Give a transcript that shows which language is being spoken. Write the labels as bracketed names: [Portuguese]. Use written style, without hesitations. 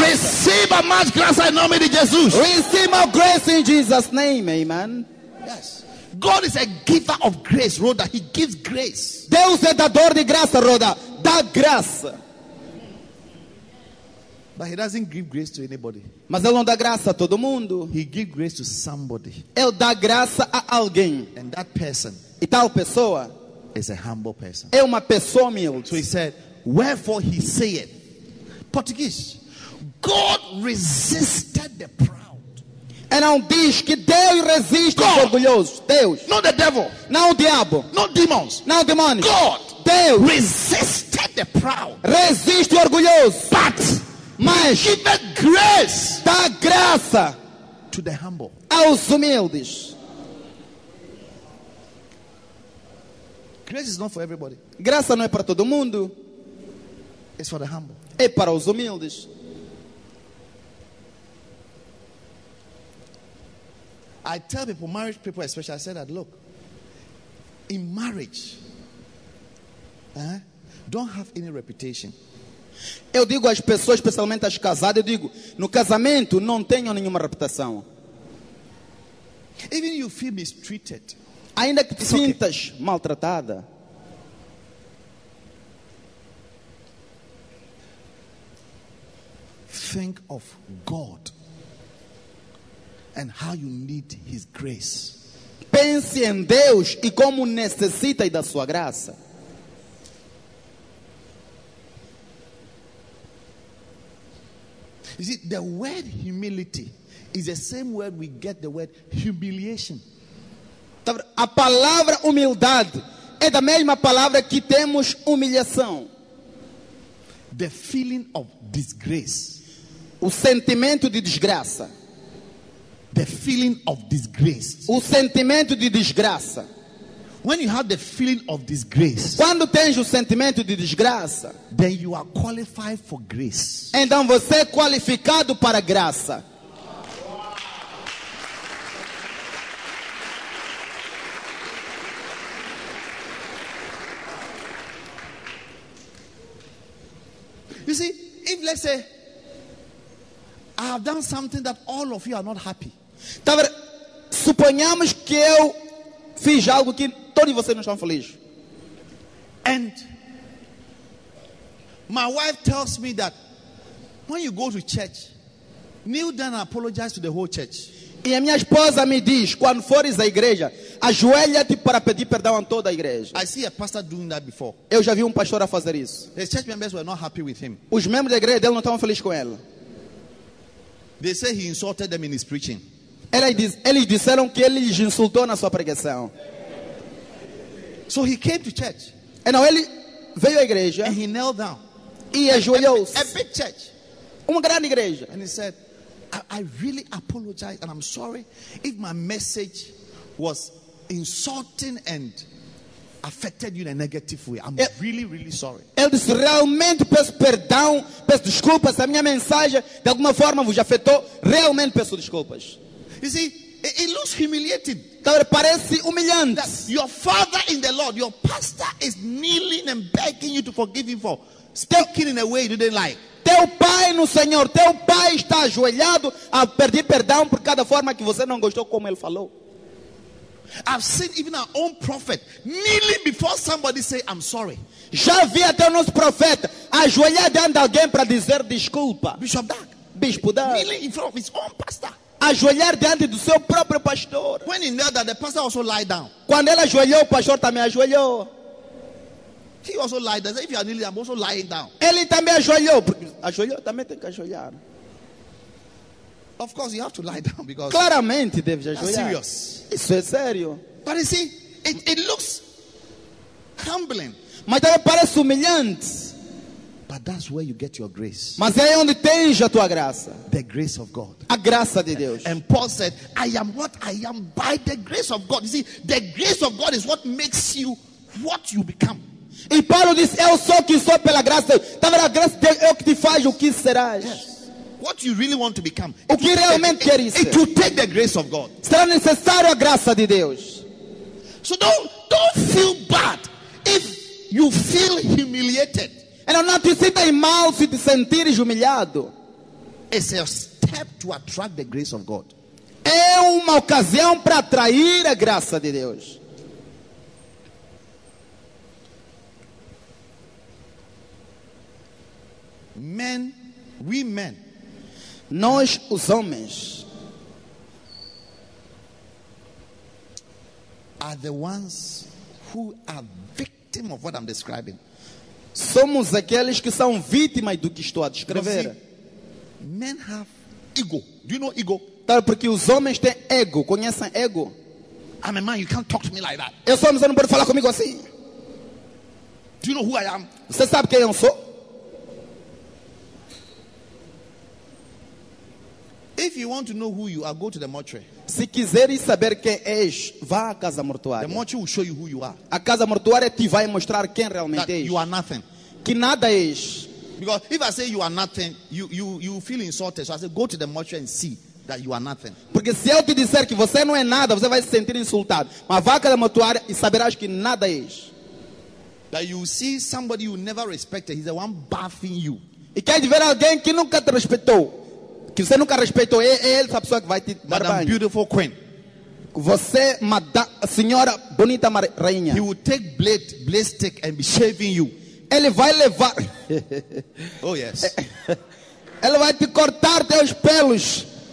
[Portuguese] Receba mais graça em nome de Jesus. Receba mais graça em [English] Jesus' name. Amen. Yes. God is a giver of grace, Rhoda. He gives grace. [Portuguese] Deus é dador de graça, Rhoda. Dá graça. [English] But he doesn't give grace to anybody. [Portuguese] Mas ele não dá graça a todo mundo. [English] He gives grace to somebody. [Portuguese] Ele dá graça a alguém. [English] And that person. [Portuguese] E tal pessoa. [English] Is a humble person. [Portuguese] É uma pessoa humilde. [English] So he said, wherefore he saith, Portuguese, God resisted the proud. And now [Portuguese] diz que Deus resiste aos orgulhosos. Deus. [English] Not the devil. [Portuguese] Não o diabo. [English] Not demons. [Portuguese] Não demônios. [English] God. [Portuguese] Deus. [English] Resisted the proud. [Portuguese] Resiste o orgulhoso. [English] But. [Portuguese] Mas. [English] Give grace. [Portuguese] Dá graça. [English] To the humble. [Portuguese] Aos humildes. [English] Grace is not for everybody. [Portuguese] Graça não é para todo mundo. [English] It's for the humble. [Portuguese] É para os humildes. [English] I tell people, marriage people especially, I say that, look, in marriage, don't have any reputation. [Portuguese] Eu digo às pessoas, especialmente às casadas, eu digo, no casamento não tenham nenhuma reputação. [English] Even you feel mistreated. [Portuguese] Ainda que te sintas maltratada. [English] Think of God and how you need His grace. [Portuguese] Pense em Deus e como necessita da sua graça. [English] You see, the word humility is the same word we get the word humiliation. [Portuguese] A palavra humildade é da mesma palavra que temos humilhação. [English] The feeling of disgrace. [Portuguese] O sentimento de desgraça. [English] The feeling of disgrace. [Portuguese] O sentimento de desgraça. [English] When you have the feeling of disgrace, [Portuguese] quando tens o sentimento de desgraça, [English] then you are qualified for grace. [Portuguese] Então você é qualificado para graça. [English] You see, if let's say I have done something that all of you are not happy. [Portuguese] Então, suponhamos que eu fiz algo que todos vocês não estão felizes. [English] And my wife tells me that when you go to church, kneel down and apologize to the whole church. [Portuguese] E a minha esposa me diz, quando fores à igreja, ajoelha-te para pedir perdão a toda a igreja. [English] I see a pastor doing that before. [Portuguese] Eu já vi pastor a fazer isso. [English] The church members were not happy with him. [Portuguese] Os membros da igreja dele não estavam felizes com ele. [English] They say he insulted them in his preaching. [Portuguese] Eles disseram que ele lhes insultou na sua pregação. [English] So he came to church. [Portuguese] Então ele veio à igreja. [English] And he knelt down. [Portuguese] E ajoelhou-se. [English] A big church. [Portuguese] Uma grande igreja. [English] And he said, I really apologize and I'm sorry if my message was insulting and affected you in a negative way. I'm really, really sorry. [Portuguese] Ele disse, realmente peço perdão, peço desculpas, a minha mensagem de alguma forma vos afetou, realmente peço desculpas. [English] You see, it looks humiliating. [Portuguese] Então, parece humilhante. [English] That your father in the Lord, your pastor is kneeling and begging you to forgive him for speaking in a way you didn't like. [Portuguese] Teu pai no Senhor, teu pai está ajoelhado a pedir perdão por cada forma que você não gostou como ele falou. [English] I've seen even our own prophet kneeling before somebody say I'm sorry. [Portuguese] Já vi até o nosso profeta ajoelhar diante de alguém para dizer desculpa. [English] Bishop Dark. [Portuguese] Bispo Dark. [English] Kneeling in front of his own pastor. [Portuguese] Ajoelhar diante do seu próprio pastor. [English] When he knelt down, the pastor also lie down. [Portuguese] Quando ele ajoelhou, o pastor também ajoelhou. [English] He also lied. As if you are kneeling, I'm also lying down. [Portuguese] Ele também ajoelhou, porque ajoelhou também tem que ajoelhar. [English] Of course, you have to lie down because. [Portuguese] Claramente deve ajoelhar. [English] Serious. [Portuguese] Isso é sério. [English] But you see, it looks humbling. [Portuguese] Mas também parece humilhante. [English] But that's where you get your grace. [Portuguese] Mas é onde tens a tua graça. [English] The grace of God. [Portuguese] A graça de Deus. [English] And Paul said, "I am what I am by the grace of God." You see, the grace of God is what makes you what you become. [Portuguese] E Paulo disse, eu sou o que sou pela graça. Então, a graça de Deus é o que te faz o que serás. [English] Yes. What you really want to become, [Portuguese] o que realmente queres ser. [English] To take the grace of God. [Portuguese] Será necessário a graça de Deus. [English] So don't feel bad if you feel humiliated. [Portuguese] Então não te sinta mal se te sentires humilhado. [English] It's a step to attract the grace of God. [Portuguese] É uma ocasião para atrair a graça de Deus. [English] Men, we men, [Portuguese] nós os homens, [English] are the ones who are victim of what I'm describing. [Portuguese] Somos aqueles que são vítimas do que estou a descrever. [English] See, men have ego. Do you know ego? [Portuguese] Claro, porque os homens têm ego. Conhecem ego? [English] I'm a man. You can't talk to me like that. [Portuguese] Eu sou um homem, você não pode falar comigo assim. [English] Do you know who I am? [Portuguese] Você sabe quem eu sou? [English] If you want to know who you are, go to the mortuary. [Portuguese] Se quiseres saber quem és, vá à casa mortuária. [English] The mortuary will show you who you are. [Portuguese] A casa mortuária te vai mostrar quem realmente [English] that [Portuguese] és. [English] You are nothing. [Portuguese] Que nada és. [English] Because if I say you are nothing, you feel insulted. So I say go to the mortuary and see that you are nothing. [Portuguese] Porque se eu te disser que você não é nada, você vai se sentir insultado. Mas vá à casa mortuária e saberás que nada és. [English] That you see somebody you never respected, he's the one buffing you. [Portuguese] E quer ver alguém que nunca te respeitou? Que você nunca respeitou, é ele, essa pessoa que vai te dar banho. [English] Beautiful queen. [Portuguese] Você, senhora bonita rainha. [English] He will take blade stick and be shaving you. [Portuguese] Ele vai levar. [English] Oh yes. [Portuguese] Ele vai te cortar teus pelos.